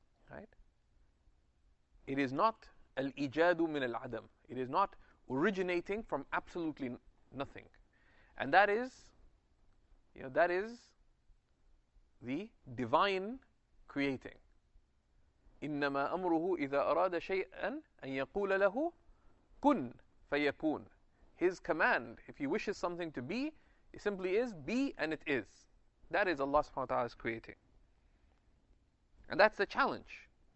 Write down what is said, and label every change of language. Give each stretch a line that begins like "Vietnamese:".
English: Right? It is not al-ijadu min al-adam. It is not originating from absolutely nothing. And that is, that is the divine creating.
Arabic: إِنَّمَا أَمْرُهُ إِذَا أَرَادَ شَيْئًا أَنْ يَقُولَ لَهُ كُنْ فَيَكُونَ.
English: His command, if he wishes something to be, it simply is, be and it is. That is Allah subhanahu wa ta'ala's creating. And that's the challenge.